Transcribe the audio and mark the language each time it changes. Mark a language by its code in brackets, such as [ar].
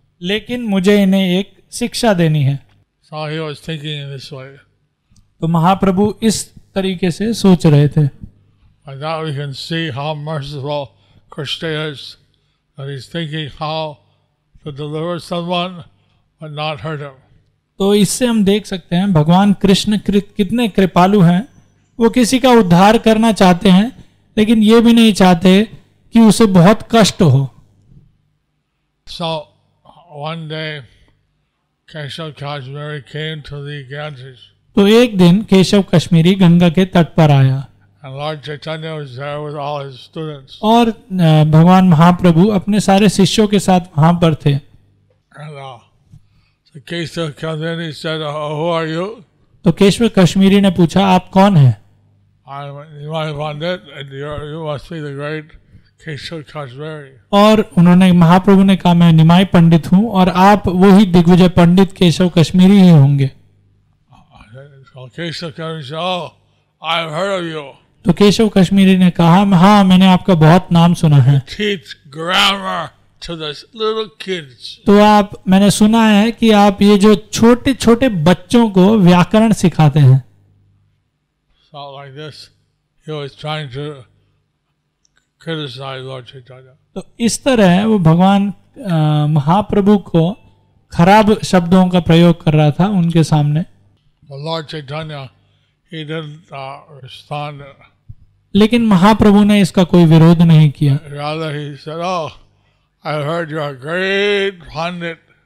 [hi] लेकिन मुझे इन्हें एक शिक्षा देनी है. तो महाप्रभु इस तरीके से सोच रहे थे. [en] And now we can see how merciful Krishna is, that he's thinking how to deliver someone but not hurt him. [hi] तो इससे हम देख सकते हैं भगवान कृष्ण कितने कृपालु हैं. वो किसी का उद्धार करना चाहते हैं लेकिन ये भी नहीं चाहते कि उसे बहुत कष्ट हो. [en] So one day Keshav Kashmiri came to the Ganges. [hi] तो एक दिन केशव कश्मीरी गंगा के तट पर आया. [en] And Lord Chaitanya was there with all his students. [hi] और भगवान महाप्रभु अपने सारे शिष्यों के साथ वहाँ पर थे. [en] Keshav Kashmiri said, "Who are you?" [hi] तो केशव कश्मीरी ने पूछा, आप कौन हैं? [en] I'm Nimai Pandit, and you must be the great Keshav Kashmiri. [hi] और उन्होंने महाप्रभु ने कहा, मैं निमाय पंडित हूँ और आप वही दिग्विजय पंडित केशव कश्मीरी ही होंगे. [en] Keshav Kashmiri said, I have heard of you. [hi] तो केशव कश्मीरी ने कहा हाँ मैंने आपका बहुत नाम सुना है. [en] Teach grammar to those little kids. [hi] तो आप मैंने सुना है कि आप ये जो छोटे छोटे बच्चों को व्याकरण सिखाते हैं. [en] So like this, he was trying to criticize Lord Chaitanya. [hi] तो इस तरह वो भगवान महाप्रभु को खराब शब्दों का प्रयोग कर रहा था उनके सामने. [en] Lord Chaitanya, He didn't respond. [hi] लेकिन महाप्रभु ने इसका कोई विरोध नहीं किया. [en] Rather he said, "Oh, I heard you are a great pundit."